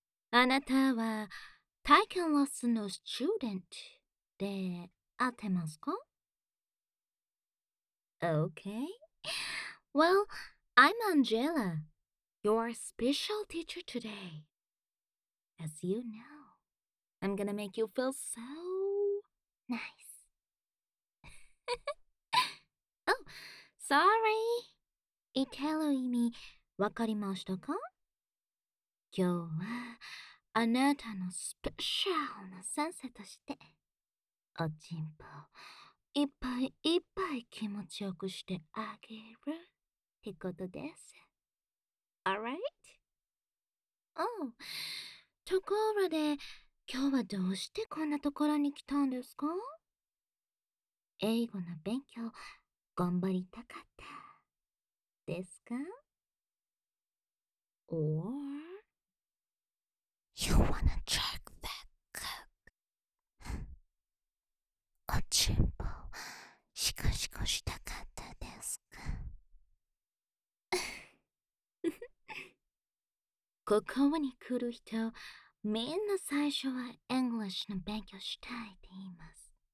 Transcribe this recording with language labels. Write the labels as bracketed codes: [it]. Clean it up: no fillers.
[ja] あなたは体験レッスンのスチューデントで合ってますか? [en] OK. Well, I'm Angela, your special teacher today. As you know, I'm gonna make you feel so nice. Oh, sorry. [ja] イテル意味わかりましたか?今日はあなたのスペシャルな先生としておちんぽいっぱいいっぱい気持ちよくしてあげるってことです。 [en] Alright? [ja] Oh, ところで今日はどうしてこんなところに来たんですか? 英語の勉強頑張りたかったですか? [en] Or you wanna check that cook? [ja] おちんぽシコシコしたかったですか? ここに来る人、みんな最初は English の勉強したいって言います。